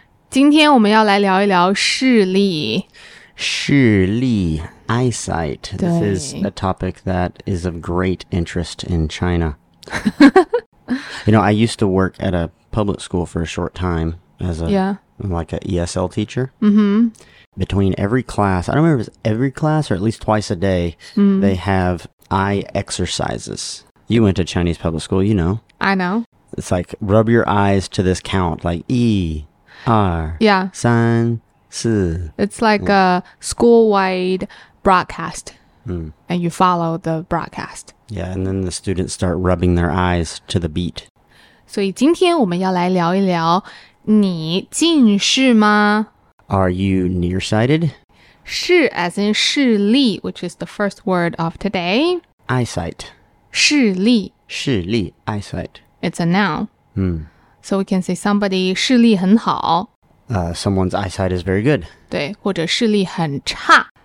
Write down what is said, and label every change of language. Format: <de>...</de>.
<zh>今天我们要来聊一聊视力。视力 eyesight.</zh> <en>This is a topic that is of great interest in China. You know, I used to work at a public school for a short time as a, like a ESL teacher. Mm-hmm. Between every class, I don't remember if it was every class or at least twice a day, they have eye exercises. You went to Chinese public school, you know. I know. It's like, rub your eyes to this count, like E, R, 三, 四. It's like a school-wide broadcast. Mm. And you follow the broadcast. Yeah, and then the students start rubbing their eyes to the beat.</en> <zh>所以今天我们要来聊一聊你近视吗?</zh> <en>Are you nearsighted? 视 as in 视力, which is the first word of today. Eyesight.</en> <zh>视力。视力, eyesight.</zh> <en>It's a noun. Mm. So we can say somebody</en> <zh>视力很好。</zh> <en>Someone's eyesight is very good.</en> <zh>对,或者视力很差。</zh>